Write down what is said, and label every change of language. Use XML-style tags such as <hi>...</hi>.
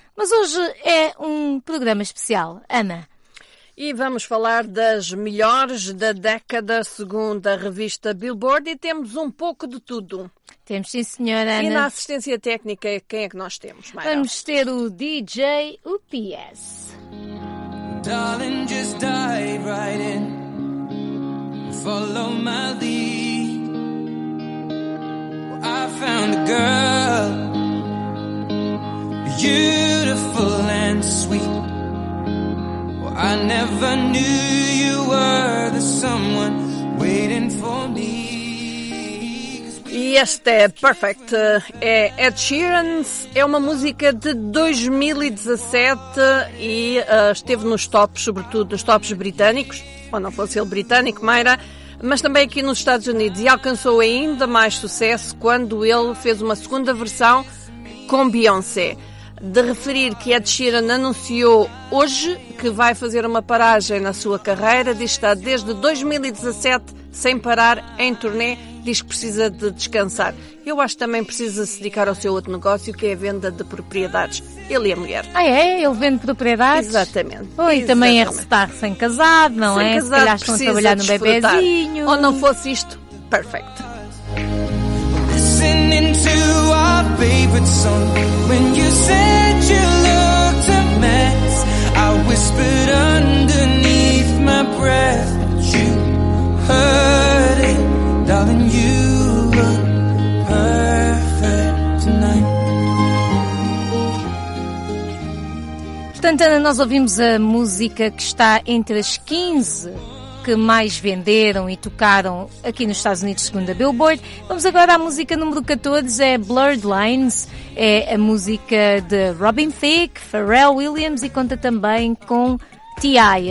<pt>Mas hoje é um programa especial, Ana. E vamos falar das melhores da década, segundo a revista Billboard, e temos um pouco de tudo. Temos, sim, senhora Ana. E na assistência técnica, quem é que nós temos, Mayra? Vamos ter o DJ, o PS.</pt> <en>Darling, just dive right in, follow my lead. I found a girl, beautiful and sweet. I never knew you were the someone waiting for me.</en> <pt>E este é Perfect, é Ed Sheeran, é uma música de 2017 e esteve nos tops, sobretudo nos tops britânicos, ou não fosse ele britânico, Mayra, mas também aqui nos Estados Unidos, e alcançou ainda mais sucesso quando ele fez uma segunda versão com Beyoncé. De referir que Ed Sheeran anunciou hoje que vai fazer uma paragem na sua carreira, diz que está desde 2017 sem parar em turnê, diz que precisa de descansar. Eu acho que também precisa se dedicar ao seu outro negócio, que é a venda de propriedades. Ele é mulher. Ah, é? Ele vende propriedades? Exatamente. Oi, exatamente. Também é recetar sem casado, não sem é? Casado, se calhar estão a trabalhar no bebezinho. Ou não fosse isto, perfeito.</pt> <en>Listening to our favorite song. When you said you looked a mess, I whispered underneath my breath that you heard it. Darling, you look perfect tonight.</en> <pt>Portanto, Ana, nós ouvimos a música que está entre as 15 que mais venderam e tocaram aqui nos Estados Unidos, segundo a Billboard. Vamos agora à música número 14, é Blurred Lines. É a música de Robin Thicke, Pharrell Williams, e conta também com T.I.</pt>